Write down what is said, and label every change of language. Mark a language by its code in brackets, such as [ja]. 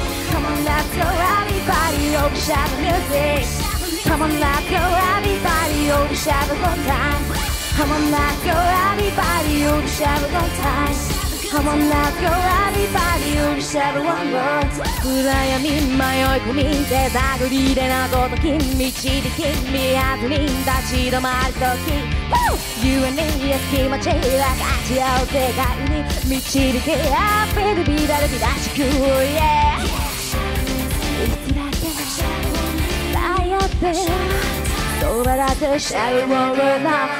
[en] Come on, let's go, everybody, oh, we shall have a good time. Come on, let's go, everybody, oh, we shall have a good time. Come on, let's go, everybody, oh, we shall have a good time. Come on, let's go, everybody, you share one word. [ja] 暗闇迷い込み、手探りでのごとき、導き、見破り、立ち止まるとき。 [en] You and me, it's [ja] 気持ち、分かち合う世界に、導き、 [en] Happy to be the lucky, that's cool, yeah. [ja] いつだって、迷って、どうだって、 [en] share one word now.